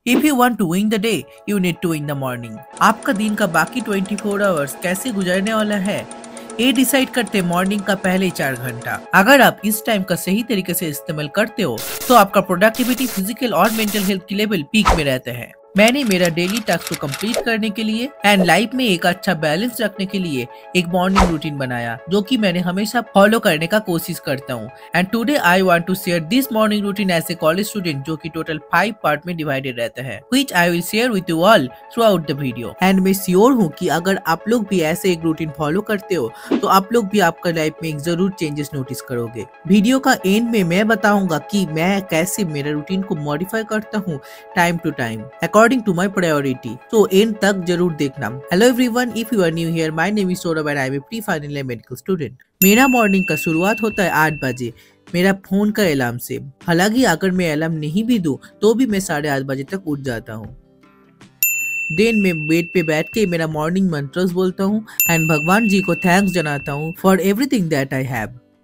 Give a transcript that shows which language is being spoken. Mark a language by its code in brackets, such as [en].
[en] If you want to win the day, you need to win the morning. [hi] आपका दिन का बाकी 24 hours कैसे गुजरने वाला है? ये decide करते morning का पहले 4 घंटा। अगर आप इस time का सही तरीके से इस्तेमाल करते हो, तो आपका productivity, physical और mental health की level peak में रहते हैं। मैंने मेरा daily task को complete करने के लिए and life में एक अच्छा balance रखने के लिए एक morning routine बनाया, जो कि मैंने हमेशा follow करने का कोशिश करता हूँ। [en] And today I want to share this morning routine as a college student, [hi] जो कि total 5 part में divided रहता है, [en] which I will share with you all throughout the video. [hi] And मैं sure हूँ कि अगर आप लोग भी ऐसे एक routine follow करते हो, तो आप लोग भी आपका life में एक जरूर changes notice करोगे। Video का end में मैं बताऊँगा कि मैं कैसे मेरा routine को modify करता हूँ [en] time to time, according to my priority. [hi] So end तक जरूर देखना। [en] Hello everyone, if you are new here, my name is Saurabh and I am a pre-final year medical student. [hi] मेरा मॉर्निंग का शुरुआत होता है 8 बजे मेरा फोन का अलार्म से। हालांकि अगर मैं अलार्म नहीं भी दूं, तो भी मैं 8:30 बजे तक उठ जाता हूं। देन मैं बेड पे बैठ के मेरा मॉर्निंग मंत्रस बोलता हूं एंड भगवान जी को थैंक्स जनाता हूं [en] For everything that I have.